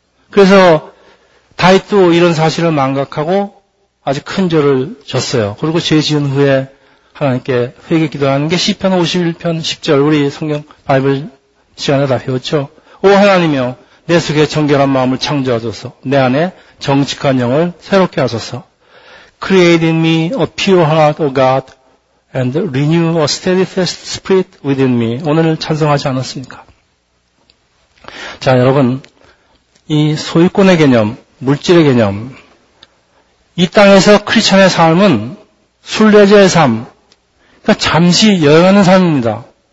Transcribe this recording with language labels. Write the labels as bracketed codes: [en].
[ko] 그래서 다윗도 이런 사실을 망각하고 아주 큰 죄를 졌어요. 그리고 죄 지은 후에 하나님께 회개 기도하는 게 시편 51편 10절 우리 성경 바이블 시간에 다 배웠죠. 오 하나님이여 내 속에 정결한 마음을 창조하소서 내 안에 정직한 영을 새롭게 하소서. [en] Create in me a pure heart, O God, and renew a steadfast spirit within me. [ko] 오늘 찬송하지 않았습니까? 자, 여러분, 이 소유권의 개념, 물질의 개념, 이 땅에서 크리스천의 삶은 순례자의 삶, 그러니까 잠시 여행하는 삶입니다.